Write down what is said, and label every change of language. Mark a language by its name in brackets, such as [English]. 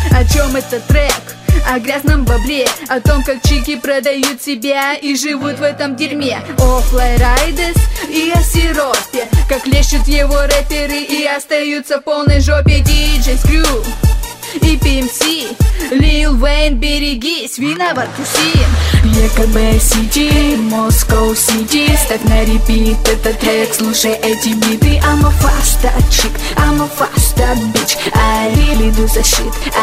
[Russian] О чем этот трек? О грязном бабле. О том, как чики продают себя и живут в этом дерьме. О флайрайдес и о сиропе. Как лещут его рэперы и остаются в полной жопе. Диджей Скрю и PMC, Lil Wayne, берегись, виноват Кусин. ЕКБ, CGA, Moscow, CG. Ставь на репит этот трек, слушай эти биты. [English] I'm a flash that chick, I'm a flash that bitch. I really do the shit.